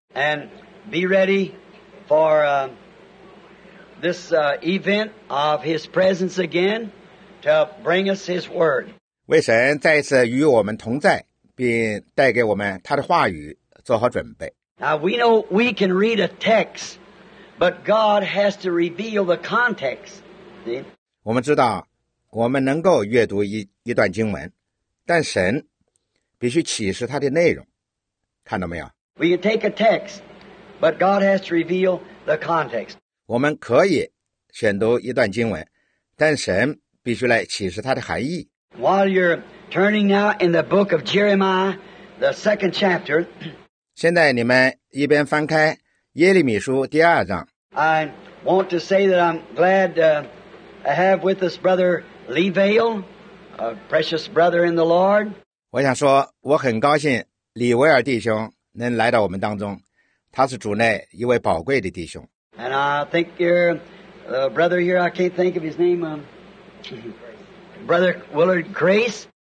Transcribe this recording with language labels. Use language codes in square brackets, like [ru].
[en] And be ready for this event of his presence again to bring us his word. [zh] 为神再一次与我们同在，并带给我们他的话语，做好准备。 [en] Now, we know we can read a text. But God has to reveal the context. [zh] 我们知道我们能够阅读 一段经文，但神必须启示它的内容，看到没有？ [en] We can take a text, but God has to reveal the context. [zh] 我们可以选读一段经文，但神必须来启示它的含义。 [en] While you're turning now in the book of Jeremiah, the second chapter. [zh] 现在你们一边翻开耶利米书第二章。 [en] I want to say that I'm glad I have with us Brother Lee Vale, a precious brother in the Lord. [zh] 我想说，我很高兴李维尔弟兄能来到我们当中，他是主内一位宝贵的弟兄。 [en] And I think your brother here, I can't think of his name, Brother Willard Grace.